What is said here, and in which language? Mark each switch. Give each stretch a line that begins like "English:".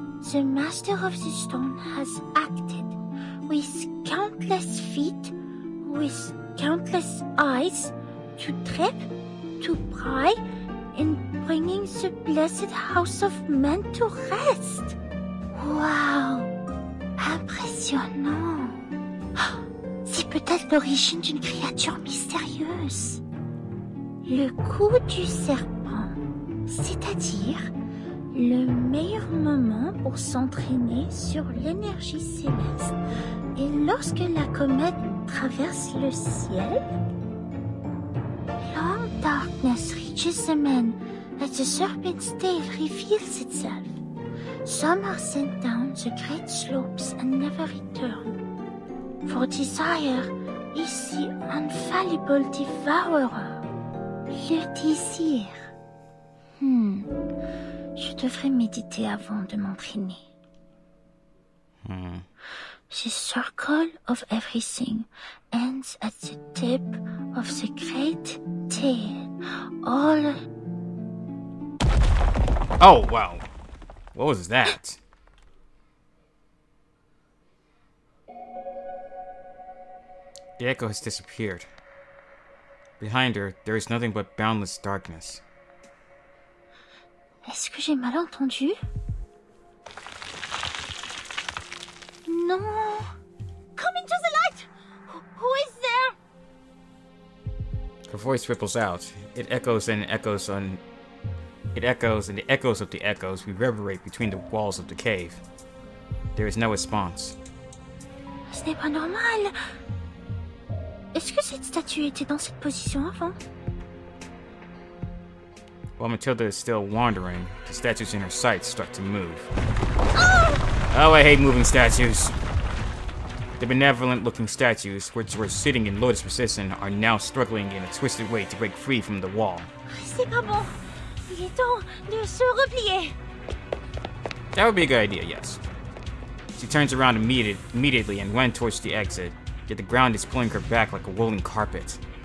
English: The master of the stone has acted with countless feet, with countless eyes, to trip, to pry, in bringing the blessed house of men to rest.
French: Wow! Impressionnant! C'est peut-être l'origine d'une créature mystérieuse. Le coup du serpent, c'est-à-dire le meilleur moment pour s'entraîner sur l'énergie céleste. Et lorsque la comète traverse le ciel,
English: long darkness reaches the men as the serpent's tail reveals itself. Some are sent down the great slopes and never return. For desire is the infallible devourer.
French: Le désir. Je devrais méditer avant de m'entraîner.
English: The circle of everything ends at the tip of the great tail. All. Oh, wow. What was that? The echo has disappeared. Behind her, there is nothing but boundless darkness.
French: Est-ce que j'ai mal entendu? Non!
English: Come into the light! Who is there? Her voice ripples out. It echoes and echoes on... It echoes and the echoes of the echoes reverberate between the walls of the cave. There is no response.
French: Ce n'est pas normal! Est-ce que cette statue était dans cette position avant?
English: While Matilda is still wandering, the statues in her sight start to move. Oh, I hate moving statues. The benevolent-looking statues, which were sitting in lotus position, are now struggling in a twisted way to break free from the wall.
French: C'est pas bon. Il est temps de se replier.
English: That would be a good idea, yes. She turns around immediately and went towards the exit, yet the ground is pulling her back like a woolen carpet.